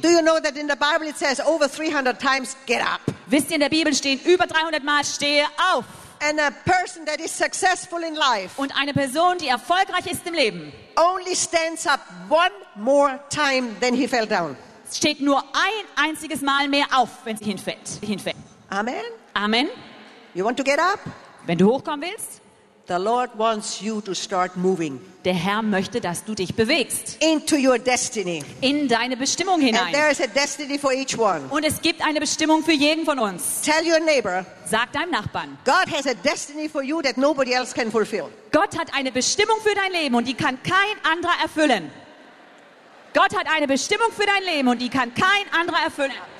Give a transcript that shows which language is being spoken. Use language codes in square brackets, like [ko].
[en] Do you know that in the Bible it says over 300 times get up? [de] Wisst ihr, in der Bibel stehen über 300 Mal stehe auf. [en] And a person that is successful in life. [de] Und eine Person, die erfolgreich ist im Leben. [en] Only stands up one more time than he fell down. [de] Steht nur ein einziges Mal mehr auf, wenn sie hinfällt. [en] Amen. [de] Amen. [en] You want to get up? [de] Wenn du hochkommen willst. [en] The Lord wants you to start moving. [de] Der Herr möchte, dass du dich bewegst. [en] Into your destiny. [de] In deine Bestimmung hinein. [en] And there is a destiny for each one. [de] Und es gibt eine Bestimmung für jeden von uns. [en] Tell your neighbor. [de] Sag deinem Nachbarn. [en] God has a destiny for you that nobody else can fulfill. [de] Gott hat eine Bestimmung für dein Leben und die kann kein anderer erfüllen. Gott hat eine Bestimmung für dein Leben und die kann kein anderer erfüllen.